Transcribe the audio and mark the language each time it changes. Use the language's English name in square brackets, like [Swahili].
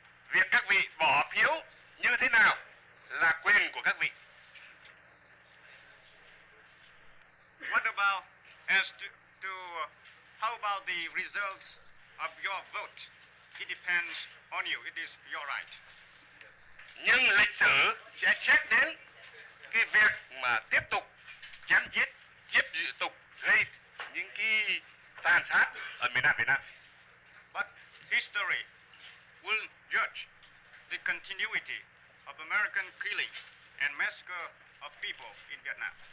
[Vietnamese] Việc các vị bỏ phiếu như thế nào là quyền của các vị. [English] What about as to how about the results of your vote? It depends on you. It is your right. [Vietnamese] Nhưng lịch sử sẽ xét đến cái việc mà tiếp tục chém giết, tiếp tục gây những cái tàn sát ở miền Nam Việt Nam. [English] But history will judge the continuity of American killing and massacre of people in Vietnam.